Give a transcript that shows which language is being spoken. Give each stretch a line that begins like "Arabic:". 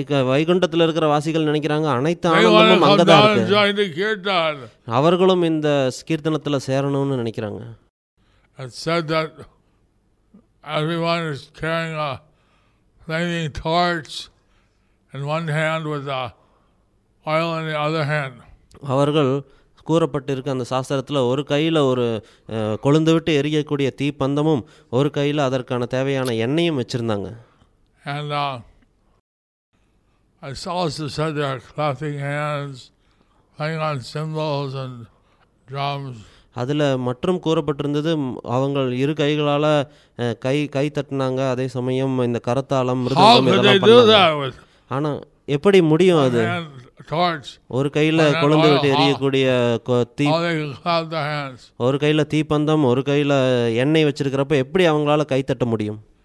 Tamil: வைகுண்டத்தில் இருக்கிற வாசிகள் நினைக்கிறாங்க அனைத்து ஆனந்தமும் அங்கதான் இருக்கு. அவர்களும் இந்த கீர்த்தனத்தில் சேரணும்னு நினைக்கிறாங்க.
English: It said that everyone is carrying a flaming torch in one hand with oil in the other hand.
Tamil: அவர்கள் கூறப்பட்டிருக்க அந்த சாஸ்திரத்தில் ஒரு கையில் ஒரு கொழுந்து விட்டு எரியக்கூடிய தீப்பந்தமும் ஒரு கையில் அதற்கான தேவையான எண்ணெயும் வச்சுருந்தாங்க.
English: And I saw also said they are clapping hands, playing on cymbals and drums.
Tamil: அதுல மற்றும் கூறப்பட்டிருந்தது அவங்கள் இரு கைகளால கை தட்டினாங்க, அதே சமயம் இந்த கரத்தாளம் மிருதங்கம் இதெல்லாம் பண்ணாங்க. ஆனா எப்படி முடியும் அது? ஒரு கையில கொழுந்து விட்டு எரியக்கூடிய ஒரு கையில தீப்பந்தம் ஒரு கையில எண்ணெய் வச்சிருக்கிறப்ப எப்படி அவங்களால கை தட்ட முடியும்?